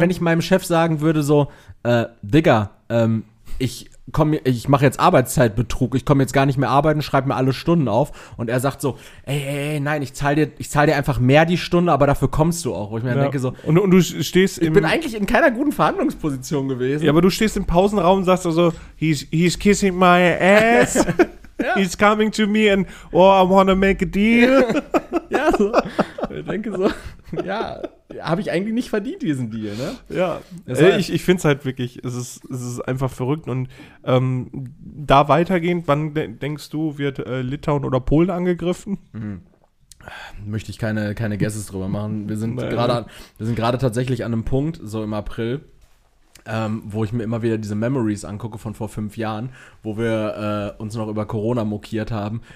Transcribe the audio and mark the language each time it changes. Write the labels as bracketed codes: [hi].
[de] Wenn ich meinem Chef sagen würde so, Digga, ich mache jetzt Arbeitszeitbetrug, ich komme jetzt gar nicht mehr arbeiten, schreibe mir alle Stunden auf. Und er sagt so, ey, nein, ich zahl dir einfach mehr die Stunde, aber dafür kommst du auch. Wo ich mir denke so. Und du stehst ich bin eigentlich in keiner guten Verhandlungsposition gewesen. Ja, aber du stehst im Pausenraum und sagst so, also, [en] he's kissing my ass. [de] Ja. [en] He's coming to me and, oh, I wanna make a deal. [de] Ja, so. Ich denke so, ja, habe ich eigentlich nicht verdient, diesen Deal, ne? Ja, ich finde es halt wirklich, es ist einfach verrückt. Und da weitergehend, wann denkst du, wird Litauen oder Polen angegriffen? Mhm. Möchte ich keine Guesses drüber machen. Wir sind gerade tatsächlich an einem Punkt, so im April, wo ich mir immer wieder diese Memories angucke von vor 5 Jahren, wo wir uns noch über Corona mokiert haben.